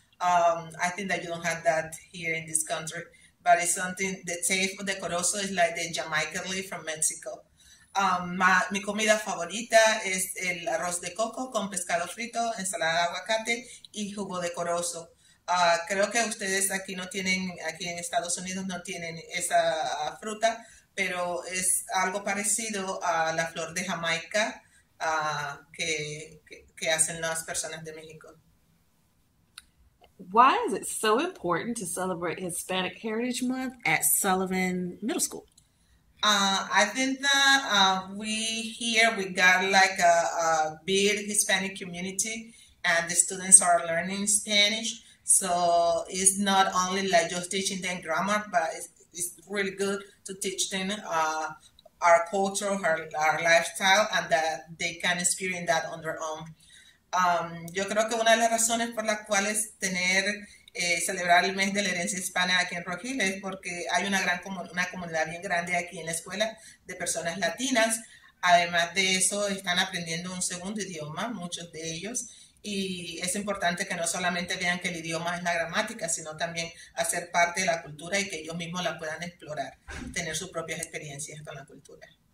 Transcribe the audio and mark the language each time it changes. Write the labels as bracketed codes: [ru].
[en] I think that you don't have that here in this country, but it's something, the taste of the corozo is like the Jamaican leaf from Mexico. [es] Mi comida favorita es el arroz de coco con pescado frito, ensalada de aguacate y jugo de corozo. Creo que ustedes aquí no tienen, aquí en Estados Unidos no tienen esa fruta, pero es algo parecido a la flor de Jamaica que hacen las personas de México. [en] Why is it so important to celebrate Hispanic Heritage Month at Sullivan Middle School? I think that we got like a big Hispanic community and the students are learning Spanish. So it's not only like just teaching them grammar, but it's really good to teach them our culture, our lifestyle, and that they can experience that on their own. [es] Yo creo que una de las razones por las cuales tener celebrar el mes de la herencia hispana aquí en Rojil es porque hay una comunidad bien grande aquí en la escuela de personas latinas. Además de eso, están aprendiendo un segundo idioma, muchos de ellos, y es importante que no solamente vean que el idioma es la gramática, sino también hacer parte de la cultura y que ellos mismos la puedan explorar, tener sus propias experiencias con la cultura.